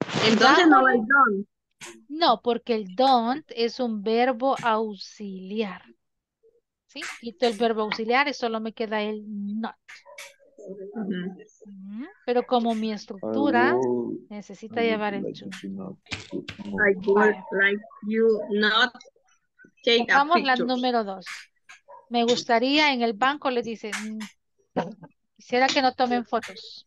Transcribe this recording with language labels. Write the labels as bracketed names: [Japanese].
[Spanish] Entonces no hay don't. No, porque el don't es un verbo auxiliar. ¿Sí? Quito el verbo auxiliar y solo me queda el not. Mm-hmm. Pero como mi estructura necesita llevar el to. [English] I would like you not take a picture. [Spanish] Vamos a la número dos. Me gustaría, en el banco le dice, quisiera que no tomen fotos.